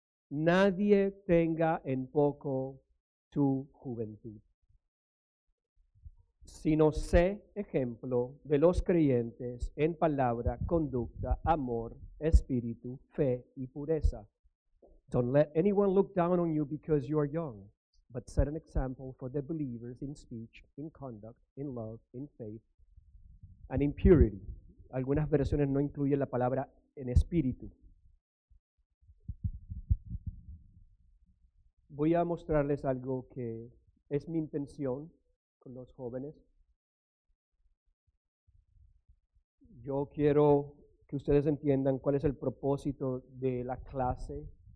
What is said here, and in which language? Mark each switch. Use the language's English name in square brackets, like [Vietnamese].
[Spanish] Nadie tenga en poco tu juventud, sino sé ejemplo de los creyentes en palabra, conducta, amor, espíritu, fe y pureza. [English] Don't let anyone look down on you because you are young, but set an example for the believers in speech, in conduct, in love, in faith, and in purity. [Spanish] Algunas versiones no incluyen la palabra en espíritu. Voy a mostrarles algo que es mi intención con los jóvenes. Yo quiero que ustedes entiendan cuál es el propósito de la clase.